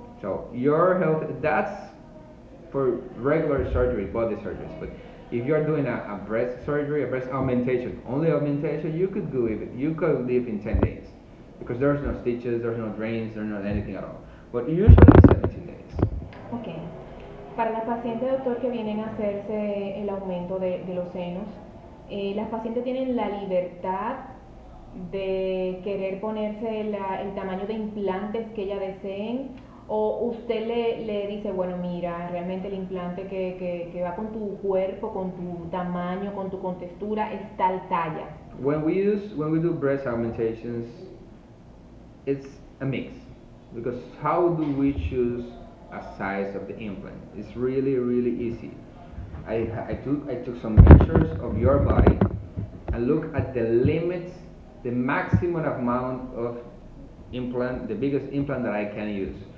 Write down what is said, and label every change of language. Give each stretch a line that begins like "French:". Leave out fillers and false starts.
English: So your health, that's for regular surgery, body surgeries. But if you're doing a breast surgery, a breast augmentation, only augmentation, you could live in 10 days. Because there's no stitches, there's no drains, there's not anything at all. But usually it's 17 days. Okay.
Spanish: Para las pacientes, doctor, que vienen a hacerse el aumento de los senos, las pacientes tienen la libertad de querer ponerse el tamaño de implantes que ella deseen, o usted le dice, bueno, mira, realmente el implante que va con tu cuerpo, con tu tamaño, con tu contextura, es tal talla.
English: When we do breast augmentations, it's a mix, because how do we choose a size of the implant? It's really, really easy. I took some measures of your body and look at the limits, the maximum amount of implant, the biggest implant that I can use.